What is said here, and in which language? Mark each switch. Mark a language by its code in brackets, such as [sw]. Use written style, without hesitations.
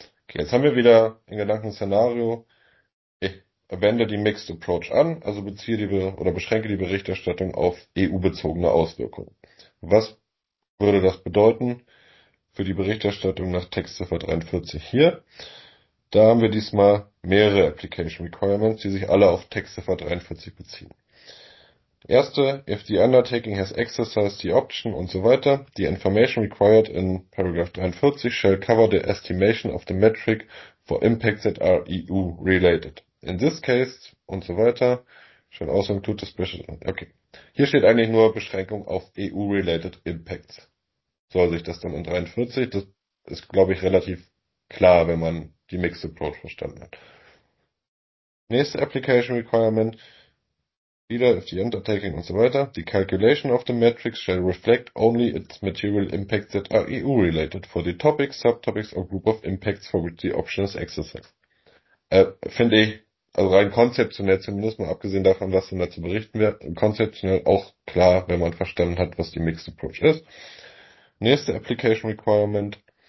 [de] Okay, jetzt haben wir wieder in Gedanken ein Szenario. Ich wende die Mixed Approach an, also beziehe die oder beschränke die Berichterstattung auf EU-bezogene Auswirkungen. Was würde das bedeuten für die Berichterstattung nach Textziffer 43 hier? Da haben wir diesmal mehrere Application Requirements, die sich alle auf Textziffer 43 beziehen. Erste, [en] if the undertaking has exercised the option [de] und so weiter, [en] the information required in paragraph 43 shall cover the estimation of the metric for impacts that are EU related. In this case [de] und so weiter, [en] shall also include the special. Okay. [de] Hier steht eigentlich nur Beschränkung auf EU related impacts. Soll sich das dann in 43? Das ist, glaube ich, relativ klar, wenn man die Mixed Approach verstanden hat. Nächste Application Requirement. Wieder [en] if the undertaking [de] und so weiter. [en] The calculation of the metrics shall reflect only its material impacts that are EU-related for the topics, subtopics or group of impacts for which the option is exercised. [de] Finde ich, also rein konzeptionell zumindest, mal abgesehen davon, was denn dazu berichten wird, konzeptionell auch klar, wenn man verstanden hat, was die Mixed Approach ist. Nächste Application Requirement.